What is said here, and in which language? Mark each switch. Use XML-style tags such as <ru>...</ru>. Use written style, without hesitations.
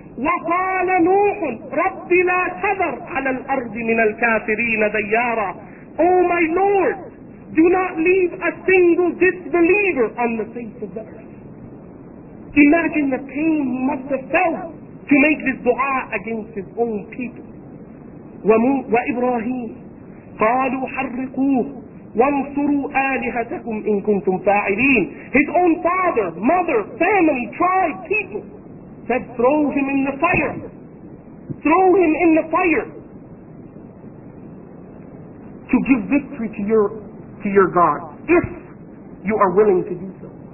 <ar>وَقَالَ نُوحٌ رَبِّ لَا تَذَرْ عَلَى الْأَرْضِ مِنَ الْكَافِرِينَ دَيَّارًا.</ar> <en>Oh my Lord, do not leave a single disbeliever on the face of the earth. Imagine the pain he must have felt to make this dua against his own people.</en> <ar>وإبراهيم قالوا حرقوه وانصروا آلهتكم إن كنتم فاعلين.</ar> <en>His own father, mother, family, tribe, people said, throw him in the fire. Throw him in the fire to give victory to your God, if you are willing to do so.</en>